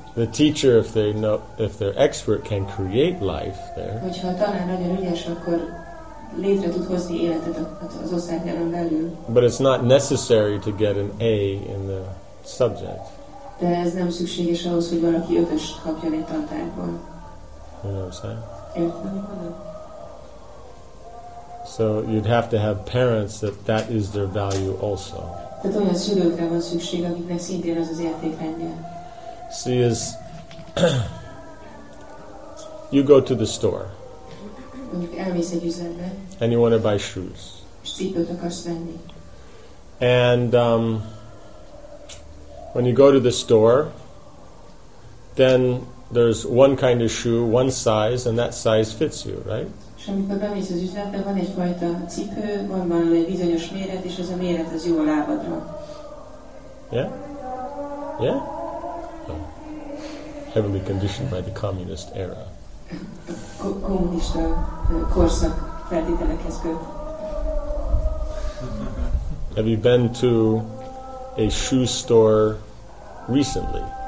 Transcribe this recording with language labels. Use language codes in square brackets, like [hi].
[en] The teacher, if they know, if they're expert, can create life there. But it's not necessary to get an A in the subject. [hu] De ez nem szükséges ahhoz, hogy valaki ötöst kapjon egy tantárból. [en] You know what I'm saying? [hu] Értem. [en] So you'd have to have parents that that is their value also. [hu] Tehát olyan szülőkre van szükség, akiknek szintén az az értékrendje. [en] See, is you go to the store. [hu] Elmész egy üzletbe. [en] And you want to buy shoes. [hu] Cipőt akarsz venni. [en] And when you go to the store, then there's one kind of shoe, one size, and that size fits you, right? Yeah? Yeah? Oh. Heavily conditioned by the communist era. [hu] Kommunista korszak feltételekhez köt. [en] Have you been to a shoe store recently?